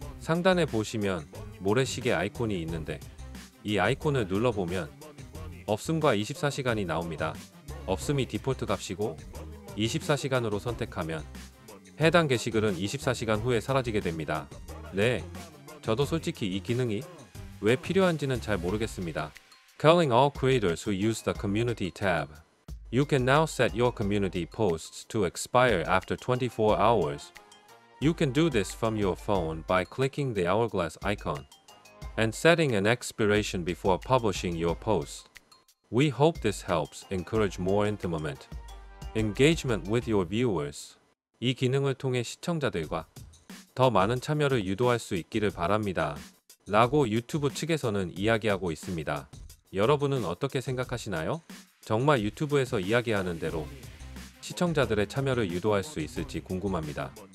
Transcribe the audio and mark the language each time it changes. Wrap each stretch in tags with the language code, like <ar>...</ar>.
<ko>상단에 보시면 모래시계 아이콘이 있는데 이 아이콘을 눌러보면 없음과 24시간이 나옵니다. 없음이 디폴트 값이고 24시간으로 선택하면 해당 게시글은 24시간 후에 사라지게 됩니다. 네, 저도 솔직히 이 기능이 왜 필요한지는 잘 모르겠습니다.</ko> <en>Calling all creators who use the community tab. You can now set your community posts to expire after 24 hours. You can do this from your phone by clicking the hourglass icon and setting an expiration before publishing your post. We hope this helps encourage more intimate engagement with your viewers.</en> <ko>이 기능을 통해 시청자들과 더 많은 참여를 유도할 수 있기를 바랍니다. 라고 유튜브 측에서는 이야기하고 있습니다. 여러분은 어떻게 생각하시나요? 정말 유튜브에서 이야기하는 대로 시청자들의 참여를 유도할 수 있을지 궁금합니다.</ko>